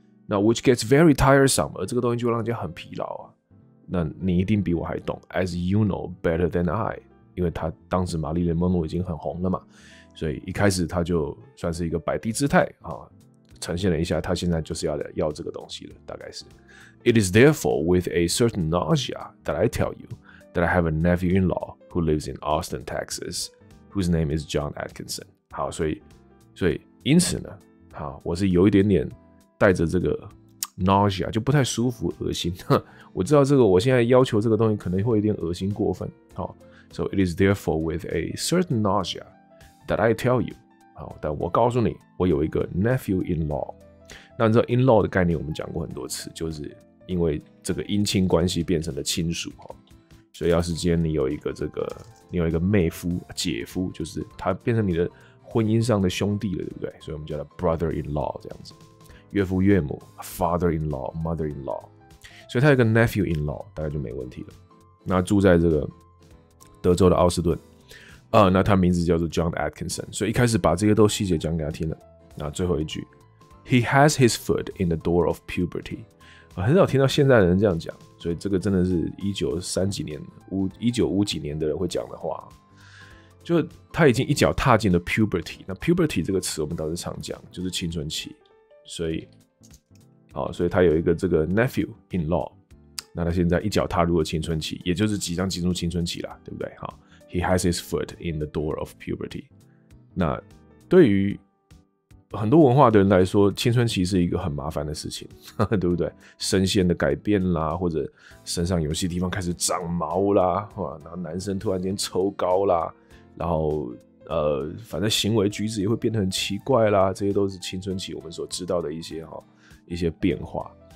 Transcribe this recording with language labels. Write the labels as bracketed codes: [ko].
[zh] 那 [en] which gets very tiresome， [zh] 而这个东西就让人家很疲劳啊。那你一定比我还懂 ， [en] as you know better than I。 [zh] 因为他当时玛丽莲梦露已经很红了嘛，所以一开始他就算是一个摆低姿态啊，呈现了一下他现在就是要这个东西了，大概是。 [en] It is therefore with a certain nausea that I tell you that I have a nephew-in-law who lives in Austin, Texas, whose name is John Atkinson。 [zh] 好，所以因此呢，好，我是有一点点带着这个 nausea， 就不太舒服，恶心。我知道这个，我现在要求这个东西可能会有点恶心过分。 [en] 好， so it is therefore with a certain nausea that I tell you， 好， [zh] 但我告诉你，我有一个 [en] nephew in law。 [zh] 那你知道 in law 的概念，我们讲过很多次，就是因为这个姻亲关系变成了亲属。所以要是今天你有一个这个，你有一个妹夫、姐夫，就是他变成你的婚姻上的兄弟了，对不对？所以我们叫他 brother in law 这样子，岳父岳母 ，father in law、mother in law。所以他有一个 nephew in law， 大概就没问题了。那住在这个德州的奥斯顿，那他名字叫做 John Atkinson。所以一开始把这些都细节讲给他听了。那最后一句 [en] ，He has his foot in the door of puberty。 [zh] 很少听到现在的人这样讲，所以这个真的是1950几年的人会讲的话。就他已经一脚踏进了 puberty， 那 puberty 这个词我们倒是常讲，就是青春期。所以他有一个这个 nephew in law， 那他现在一脚踏入了青春期，也就是即将进入青春期啦，对不对？ [en] 好， he has his foot in the door of puberty。 [zh] 那对于很多文化的人来说，青春期是一个很麻烦的事情，呵呵，对不对？身线的改变啦，或者身上有些地方开始长毛啦，然后男生突然间抽高啦，然后反正行为举止也会变得很奇怪啦，这些都是青春期我们所知道的一些变化。